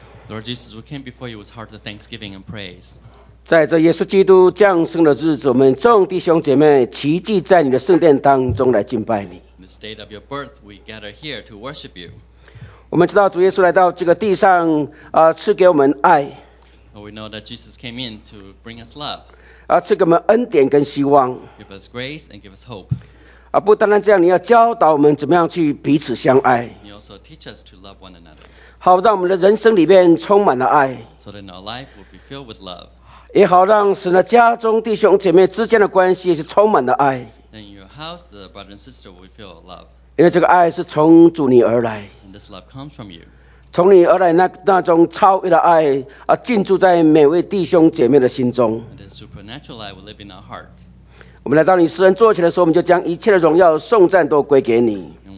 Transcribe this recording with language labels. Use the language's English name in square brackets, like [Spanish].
[English] Lord Jesus, we came before you with hearts of thanksgiving and praise. [Chinese] 在这耶稣基督降生的日子，我们众弟兄姐妹齐聚在你的圣殿当中来敬拜你。 [English] In the state of your birth, we gather here to worship you. [Chinese] 我们知道主耶稣来到这个地上，赐给我们爱。 [English] We know that Jesus came in to bring us love. [Chinese] 赐给我们恩典跟希望。 [English] Give us grace and give us hope. [Chinese] 不单单这样，你要教导我们怎么样去彼此相爱。 [English] You also teach us to love one another. [Chinese] 好，让我们的人生里面充满了爱。 [English] So that our life will be filled with love. [Chinese] 也好，让使那家中弟兄姐妹之间的关系也是充满了爱。 [English] Then in your house, the brother and sister will feel love. [Chinese] 因为这个爱是从主你而来。 [English] And this love comes from you. [Chinese] 从你而来那种超越的爱啊，进驻在每位弟兄姐妹的心中。 [English] And the supernatural light will live in our heart. [Chinese] 我们来到你施恩座前的时候，我们就将一切的荣耀、颂赞都归给你。